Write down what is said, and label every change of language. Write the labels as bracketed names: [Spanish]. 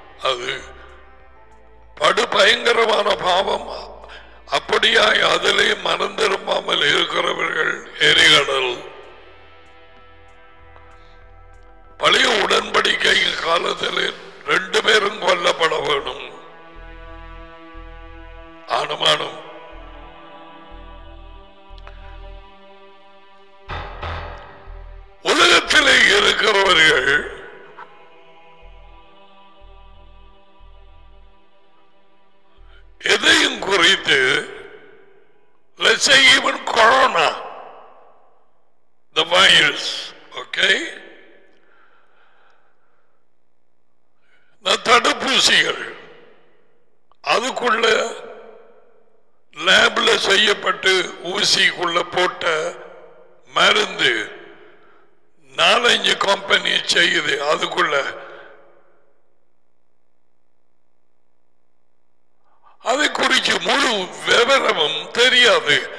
[Tamil] அது படு பயங்கரமான பாவம். அப்படியாய் அதிலே மனம் திரும்பாமல் இருக்கிறவர்கள் எரிகடல். பழைய உடன்படிக்கை காலத்திலே ரெண்டு பேரும் கொல்லப்பட வேணும். அனுமானம் உலகத்திலே இருக்கிறவர்கள் எதையும் குறித்து, [English] let's say even corona, the virus, okay? [Tamil] தடுப்பூசிகள், அதுக்குள்ள லேபில் செய்யப்பட்டு ஊசிக்குள்ள போட்ட மருந்து, நாலஞ்சு கம்பெனி செய்யுது, அதுக்குள்ள அதை குறித்து முழு விவரமும் தெரியாது.